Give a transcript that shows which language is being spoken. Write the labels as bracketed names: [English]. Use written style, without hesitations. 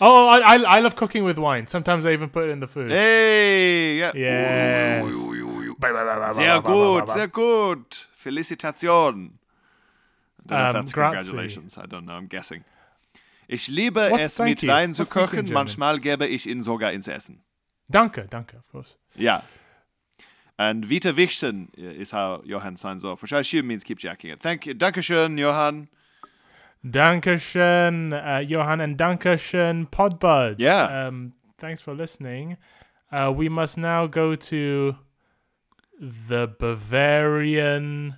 [English] Oh, I love cooking with wine. Sometimes I even put it in the food. Hey! Yeah. [German] Yes. Sehr gut, sehr gut. [French] Felicitation. [English] I don't know if that's grazie. Congratulations. I don't know. I'm guessing. [German] Ich liebe es, mit Wein zu kochen. Manchmal gebe ich ihn sogar ins Essen. Danke, danke, of course. [English] Yeah. And Vita Wichsen is how Johan signs off, which I assume means keep jacking it. Thank you. Danke schön, Johan. [German] Danke schön, Johan, and danke schön, Podbuds. [English] Yeah. Thanks for listening. We must now go to the Bavarian